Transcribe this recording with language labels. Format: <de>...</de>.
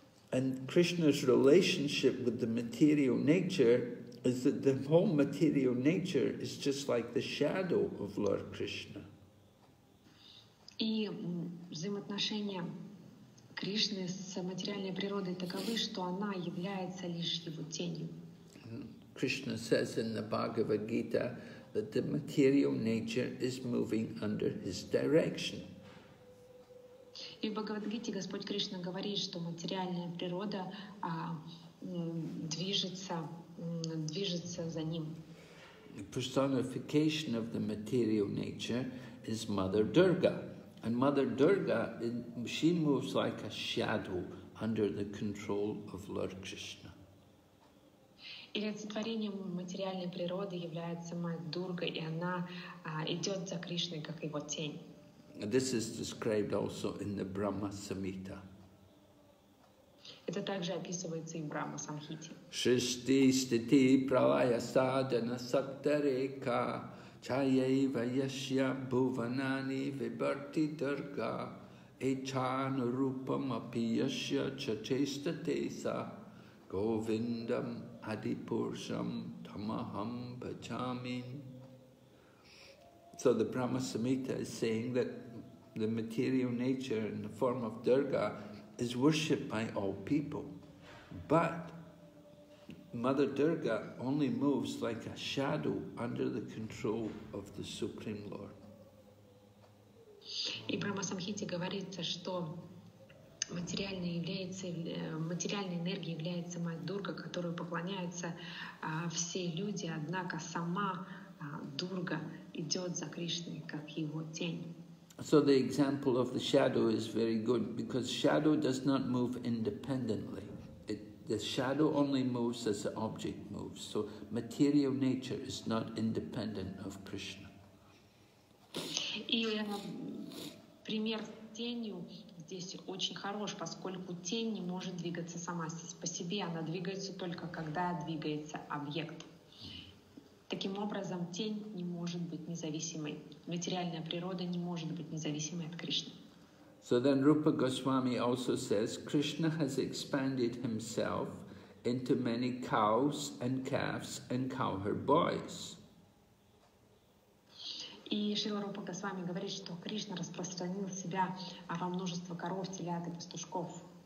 <en>And Krishna's relationship with the material nature is that the whole material nature is just like the shadow of Lord Krishna.</en> <ru>И взаимоотношения Кришны с материальной природой таковы, что она является лишь его тенью.</ru> <en>Krishna says in the Bhagavad Gita that the material nature is moving under his direction.</en> <ru>И в Бхагавад-гите Господь Кришна говорит, что материальная природа движется за ним.</ru> <en>The personification of the material nature is Mother Durga. And Mother Durga, she moves like a shadow under the control of Lord Krishna.</en> <ru>И олицетворением материальной природы является Мать Дурга, и она идет за Кришной, как его тень.</ru> <en>This is described also in the Brahma Samhita.</en> <ru>Это также описывается и в Брахма Самхите.</ru> <sa>Шришти стити пралая садана сактарека чаяйва яшья бхуванани вибарти дурга эчану рупам апи яшья чачестатеса говиндам адипуршам тамахам бхаджамин.</sa> <en>So the Brahma Samhita is saying that the material nature in the form of Durga is worshipped by all people. But Mother Durga only moves like a shadow under the control of the Supreme Lord.</en> <ru>И в Брахма-самхите говорится, что материальной энергией является Мать Дурга, которую поклоняются все люди, однако сама Дурга идет за Кришной, как его тень.</ru> <en>So the example of the shadow is very good because shadow does not move independently. The shadow only moves as the object moves. So material nature is not independent of Krishna.</en> <ru>И пример с тенью здесь очень хорош, поскольку тень не может двигаться сама по себе, она двигается только когда двигается объект. Таким образом, тень не может быть независимой. Материальная природа не может быть независимой от Кришны.</ru> <en>So then Rupa Goswami also says, Krishna has expanded himself into many cows and calves and cowherd boys.</en> <ru>И Шрила Рупа Госвами говорит, что Кришна распространил себя во множество коров, телят и пастушков.</ru>